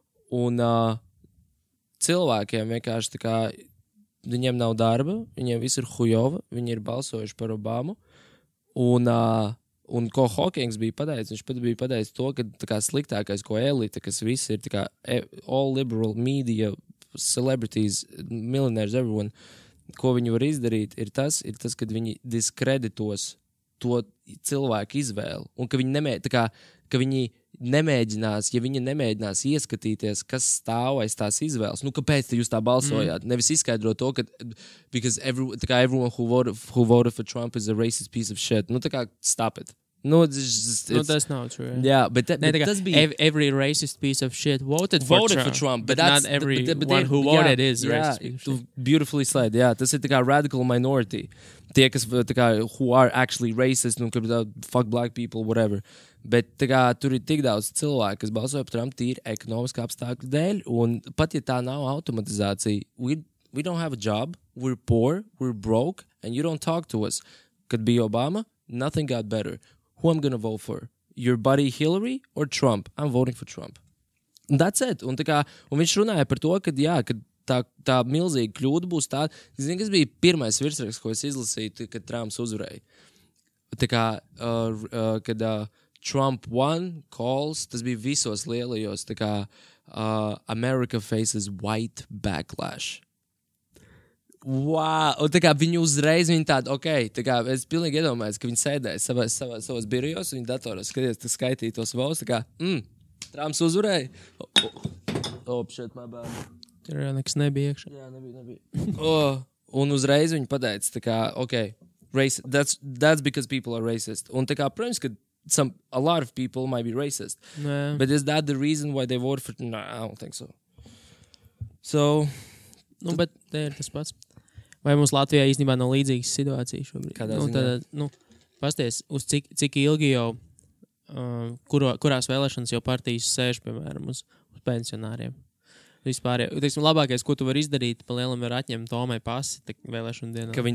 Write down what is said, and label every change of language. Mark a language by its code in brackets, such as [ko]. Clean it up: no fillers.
[lv] Un cilvēkiem vienkārši tā kā, viņiem nav darba, viņiem viss ir hujova, viņi ir balsojuši par Obamu, un, un ko Hawkings bija pateicis, viņš pat bija pateicis to, ka tā kā sliktākais, ko elita, kas viss ir tā kā [en] all liberal media, celebrities, millionaires, everyone, [lv] ko viņi var izdarīt, ir tas, kad viņi diskreditos to cilvēku izvēlu, un ka viņi nemē, tā kā, ka viņi nemēģinās, ja viņi nemēģinās ieskatīties, kas stāv aiz tās izvēles. Nu, kāpēc te jūs tā balsojāt? Mm. Nevis izskaidrot to, ka [en] because everyone who voted for Trump is a racist piece of shit. [lv] Nu, tā kā, stop it. [en] Nu, that's not true. Yeah, yeah but, that, [lv] ne, [en] but [lv] kā, tas bija... [en] Every racist piece of shit voted for Trump but not everyone who voted yeah, is yeah, racist piece of shit. Beautifully said, yeah. [lv] Tas ir tā kā radical minority. Tie, kas tā kā, [en] who are actually racist, [lv] nu, kā, [en] fuck black people, whatever. [lv] Bet tā kā, tur ir tik daudz cilvēku, kas balsoja par Trumpu tīri ekonomiskā apstākļa dēļ, un pat ja tā nav automatizācija, [en] we don't have a job, we're poor, we're broke, and you don't talk to us. [lv] Kad bija [en] Obama, nothing got better. Who I'm gonna vote for? Your buddy Hillary or Trump? I'm voting for Trump. And that's it. [lv] Un, tā kā, un viņš runāja par to, ka jā, ka tā milzīga kļūda būs tā. Zini, kas bija pirmais virsraksts, ko es izlasīju, kad Trumps uzvarēja? Tā kā, kad... [en] Trump won calls, [lv] tas bija visos lielajos, tā kā [en] America faces white backlash. Wow! [lv] Un tā kā viņi uzreiz, viņi tādi, ok, tā kā es pilnīgi iedomājos, ka viņi sēdēja savās birojos, viņi datoros skatījās, tas skaitīja tos votes, tā kā, Trumps uzvarēja. [en] Shit, my bad. [lv] Tur jau nekas nebija iekšā. Jā, nebija. Un uzreiz viņi pateica, tā kā, ok, [en] racist, that's because people are racist. [lv] Un tā kā, protams, ka [en] a lot of people might be racist. [lv] Nē. [en] But is that the reason why they vote for... No, I don't think so. So... [lv] Nu, bet te ir tas pats. Vai mums Latvijā īstenībā nav līdzīgas situācijas šobrīd? Kādā nu, ziņā? Nu, pasties, uz cik ilgi jau... kurās vēlēšanas jau partijas sēž, piemēram, uz pensionāriem. Vispār jau. Teiksim, labākais, ko tu var izdarīt, pa lielam var atņemt Tomai pasi vēlēšanu dienā.